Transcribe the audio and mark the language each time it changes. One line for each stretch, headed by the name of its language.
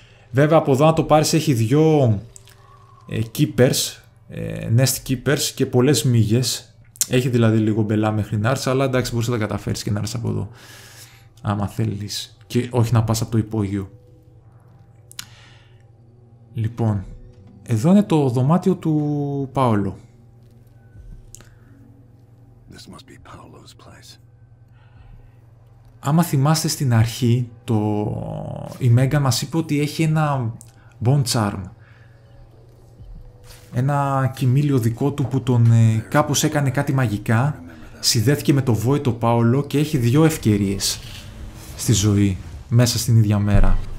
Greek: Βέβαια από εδώ να το πάρεις έχει δύο keepers, nest keepers και πολλές μύγες. Έχει δηλαδή λίγο μπελά μέχρι να έρθει, αλλά εντάξει μπορείς να τα καταφέρεις και να έρθει από εδώ. Άμα θέλεις. Και όχι να πας από το υπόγειο. Λοιπόν, εδώ είναι το δωμάτιο του Πάολο.
English: This must be Paolo's place.
Greek: Άμα θυμάστε στην αρχή, η Μέγκα μας είπε ότι έχει ένα bone charm. Ένα κοιμήλιο δικό του που τον κάπως έκανε κάτι μαγικά, συνδέθηκε με το Void το Πάολο και έχει δύο ευκαιρίες στη ζωή, μέσα στην ίδια μέρα.